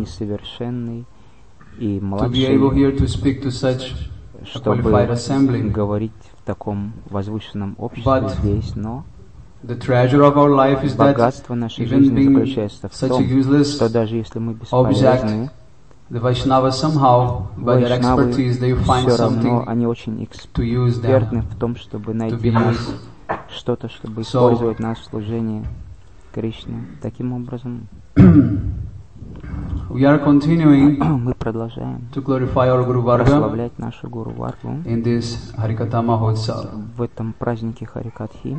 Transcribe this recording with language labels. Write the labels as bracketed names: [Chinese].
[Russian] несовершенный и младший, [English] to be able here to speak to such [Russian] чтобы [English] qualified assembly. [Russian] Говорить в таком возвышенном обществе [English] but [Russian] здесь, но [English] the treasure of our life is [Russian] богатство нашей жизни заключается в том, что даже если мы бесполезны, [English] the Vaishnava somehow, by their expertise, they find something to use them, to [Russian] be нас, что-то, чтобы использовать нас в служении Кришне. Таким образом, [English] we are continuing [Russian] мы продолжаем [English] to glorify our Guru Varga, [Russian] прославлять нашу Гуру Варгу [English] in this Harikatha Mahotsav, [Russian] в этом празднике Харикатхи,